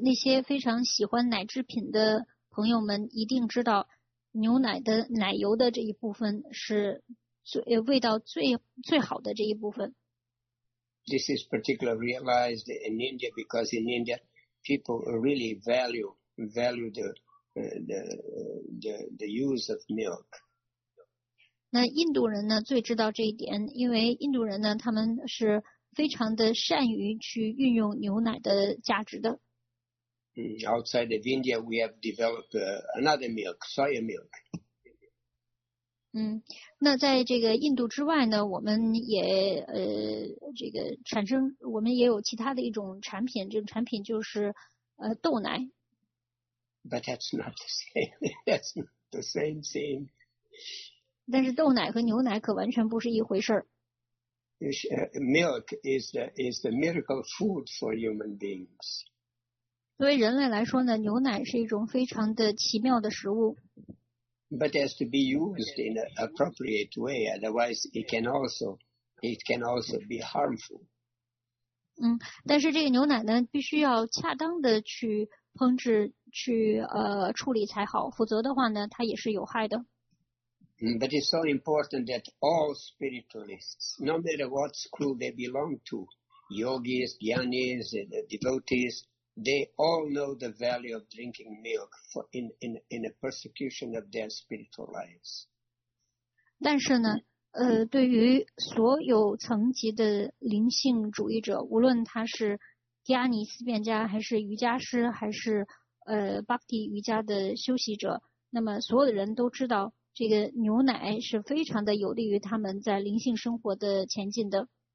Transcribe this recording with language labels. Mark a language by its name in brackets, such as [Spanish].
[Chinese] 那些非常喜欢奶制品的朋友们一定知道，牛奶的奶油的这一部分是味道最好的这一部分。 [English] This is particularly realized in India because in India people really value the use of milk. [Chinese] 那印度人呢最知道这一点，因为印度人呢他们是非常的善于去运用牛奶的价值的。 [English] Outside of India, we have developed another milk, soya milk. [Chinese] 那在这个印度之外呢，我们也这个产生，我们也有其他的一种产品，这个产品就是豆奶。 [English] But that's not the same. That's not the same thing. [Chinese] 但是豆奶和牛奶可完全不是一回事儿。 [English] Milk is the miracle food for human beings. [Chinese] 作为人类来说呢，牛奶是一种非常的奇妙的食物。 [English] But it has to be used in an appropriate way, otherwise it can also be harmful. [Chinese] 但是这个牛奶呢，必须要恰当的去烹制、去处理才好，否则的话呢，它也是有害的。 [English] But it's so important that all spiritualists, no matter what school they belong to, yogis, jnanis, and devotees. They all know the value of drinking milk in a persecution of their spiritual lives. [Chinese] 但是呢，对于所有层级的灵性主义者，无论他是迦尼思辨家，还是瑜伽师，还是Bhakti 瑜伽的修习者，那么所有的人都知道，这个牛奶是非常的有利于他们在灵性生活的前进的。